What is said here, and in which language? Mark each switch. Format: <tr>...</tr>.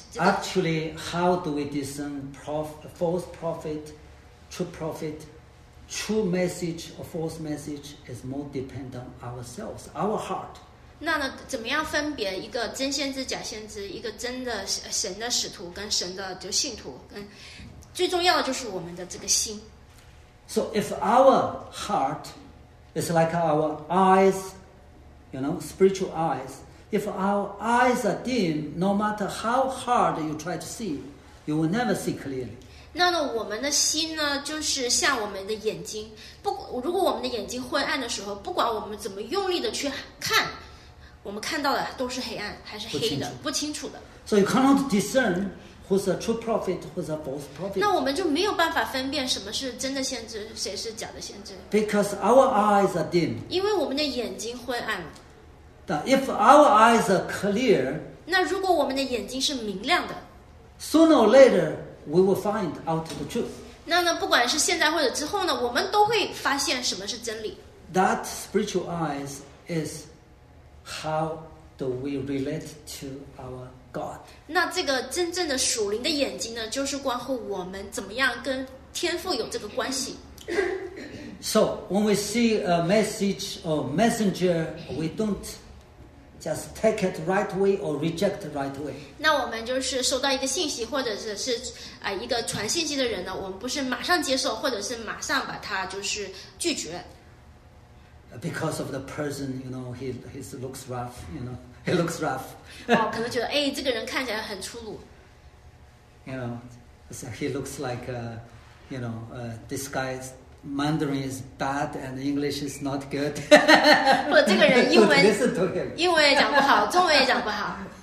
<en>Actually, how do we discern false prophet, true prophet, true message or false message is more dependent on ourselves, our heart.</en> <zh>那呢，怎么样分别一个真先知、假先知，一个真的神的使徒跟神的就信徒，跟最重要的就是我们的这个心。</zh> <en>So if our heart is like our eyes, you know, spiritual eyes. If our eyes are dim, no matter how hard you try to see, you will never see clearly.</en> <zh>那呢，我们的心呢，就是像我们的眼睛。如果我们的眼睛昏暗的时候，不管我们怎么用力的去看，我们看到的都是黑暗，还是黑的，不清楚的。</zh> <en>So you cannot discern who's a true prophet, who's a false prophet.</en> <zh>那我们就没有办法分辨什么是真的先知，谁是假的先知。</zh> <en>Because our eyes are dim.</en> <zh>因为我们的眼睛昏暗。</zh> <en>Now, if our eyes are clear,</en> <zh>那如果我们的眼睛是明亮的</zh> <en>sooner or later we will find out the truth.</en> <zh>那呢，不管是现在或者之后呢，我们都会发现什么是真理。</zh> <en>That spiritual eyes is how do we relate to our God.</en> <zh>那这个真正的属灵的眼睛呢，就是关乎我们怎么样跟天父有这个关系。</zh> <en>So when we see a message or messenger, we don't just take it right away or reject right away.</en> <zh>那我们就是收到一个信息，或者是一个传信息的人呢，我们不是马上接受，或者是马上把他就是拒绝。</zh> <en>Because of the person, you know, he looks rough. You know, he looks rough.</en> <zh>可能觉得哎，这个人看起来很粗鲁。</zh> <en>You know, so he looks like a, you know, a disguised. Mandarin is bad and English is not good.</en> <zh>不，这个人英文英文也讲不好，中文也讲不好。</zh>